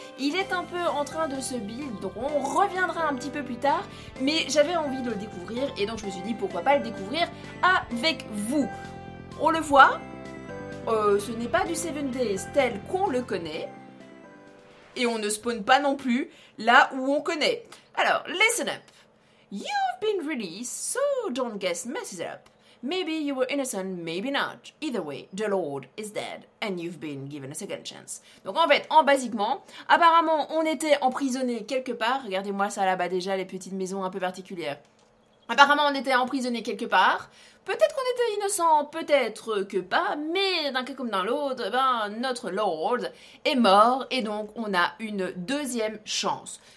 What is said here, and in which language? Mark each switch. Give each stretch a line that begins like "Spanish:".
French: Il est un peu en train de se build, donc on reviendra un petit peu plus tard. Mais j'avais envie de le découvrir et donc je me suis dit pourquoi pas le découvrir avec vous. On le voit, ce n'est pas du 7 Days tel qu'on le connaît. Et on ne spawn pas non plus là où on connaît.
English: Alors, listen up. You've been released, so don't guess messes up. Maybe you were innocent, maybe not. Either way, the Lord is dead and you've been given a second chance.
French: Donc en fait, en basiquement, apparemment on était emprisonné quelque part. Regardez-moi ça là-bas déjà, les petites maisons un peu particulières. Apparemment on était emprisonné quelque part. Peut-être qu'on était innocent, peut-être que pas, mais d'un cas comme dans l'autre, ben, notre Lord est mort et donc on a une deuxième chance.